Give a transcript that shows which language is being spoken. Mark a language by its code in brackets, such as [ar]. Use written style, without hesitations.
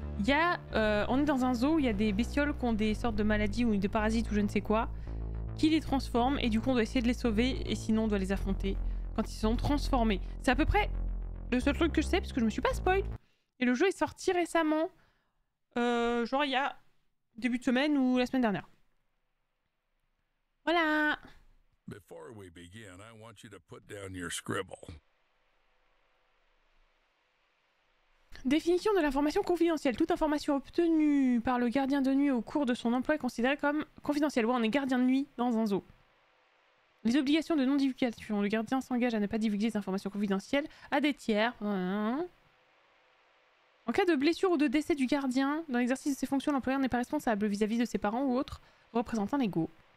[fr] Il y a, on est dans un zoo où il y a des bestioles qui ont des sortes de maladies ou des parasites ou je ne sais quoi qui les transforment et du coup, on doit essayer de les sauver et sinon, on doit les affronter quand ils sont transformés. C'est à peu près... Le seul truc que je sais, parce que je me suis pas spoil. Et le jeu est sorti récemment. Genre il y a début de semaine ou la semaine dernière. Voilà. [en] Before we begin, I want you to put down your scribble. [fr] Définition de l'information confidentielle. Toute information obtenue par le gardien de nuit au cours de son emploi est considérée comme confidentielle. Ouais, on est gardien de nuit dans un zoo. Les obligations de non-divulgation. Le gardien s'engage à ne pas divulguer des informations confidentielles à des tiers. En cas de blessure ou de décès du gardien, dans l'exercice de ses fonctions, l'employeur n'est pas responsable vis-à-vis de ses parents ou autres représentants légaux.